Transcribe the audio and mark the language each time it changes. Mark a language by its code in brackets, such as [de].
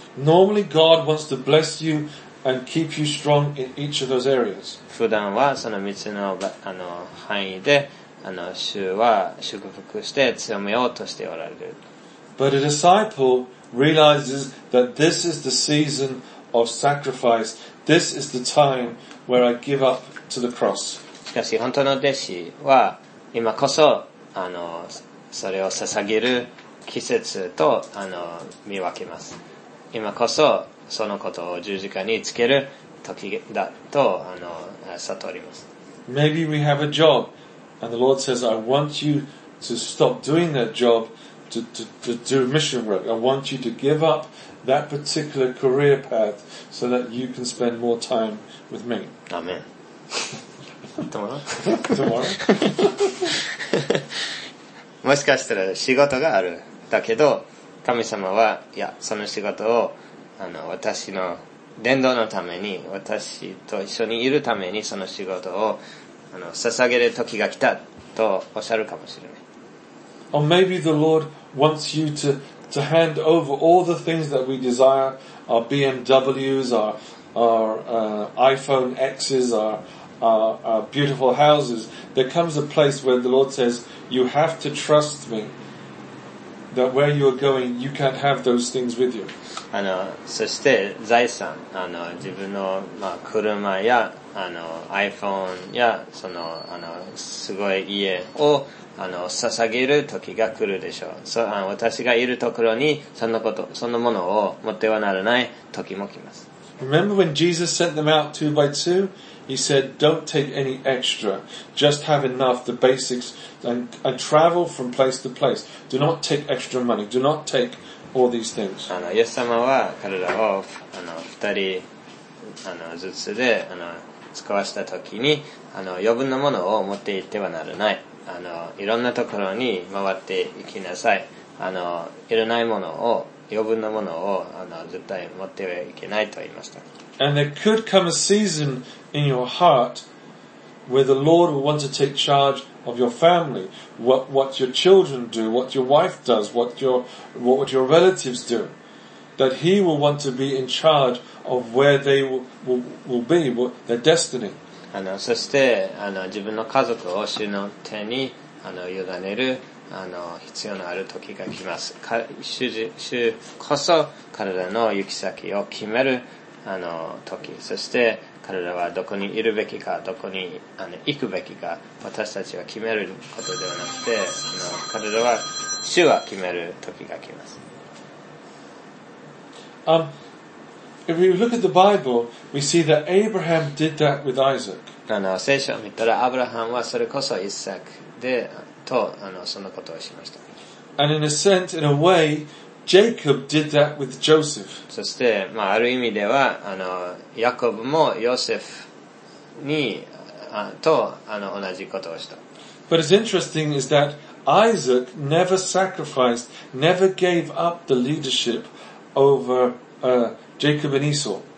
[en] Normally God wants to bless you and keep you strong in each of those areas. [ja] 普段はその3つの範囲で主は祝福して強めようとしておられる。 [en] But a disciple realizes that this is the season of sacrifice. This is the time where I give up to the cross. [ja] しかし本当の弟子は今こそそれを捧げる季節と見分けます。今こそそのことを十字架につける時だと悟ります。 [en] Maybe we have a job and the Lord says, I want you to stop doing that job to do mission work. I want you to give up that particular career path so that you can spend more time with me. Amen. Tomorrow? [ja] もしかしたら仕事がある。だけど、神様は、いや、その仕事を、私の伝道のために、私と一緒にいるために、その仕事を、捧げる時が来た、とおっしゃるかもしれない。 [en] Or maybe the Lord wants you to hand over all the things that we desire, our BMWs, our iPhone Xs, our beautiful houses. There comes a place where the Lord says, you have to trust me that where you are going, you can't have those things with you. [ja] そして財産、自分の、車や、iPhone や、すごい家を、捧げる時が来るでしょう。私がいるところに、そんなこと、そんなものを持ってはならない時も来ます。 [en] Remember when Jesus sent them out two by two? He said, don't take any extra. Just have enough, the basics, and travel from place to place. Do not take extra money. Do not take all these things. [ja] イエス様は彼らを二人ずつで使わした時に余分なものを持って行ってはならない。いろんなところに回って行きなさい。いらないものを余分なものを絶対持ってはいけないと言いました。 [en] And there could come a season in your heart where the Lord will want to take charge of your family, what your children do, what your wife does, what your relatives do, that He will want to be in charge of where they will be, their destiny. [ja] そして自分の家族を主の手に委ねる必要のある時が来ます。主こそ彼らの行き先を決める時、そして彼らはどこにいるべきか、どこに行くべきか、私たちは決めることではなくて、彼らは主は決める時が来ます。 [en] If we look at the Bible, we see that Abraham did that with Isaac. [ja] あの聖書を見たらアブラハムはそれこそイサクでとあのそのことをしました。 [en] And in a sense, in a way, Jacob did that with Joseph. [ja] そして、まあ、ある意味ではあのヤコブもヨセフにあとあの同じことをした。 [en] But it's interesting is that Isaac never sacrificed, never gave up the leadership over、Jacob and Esau.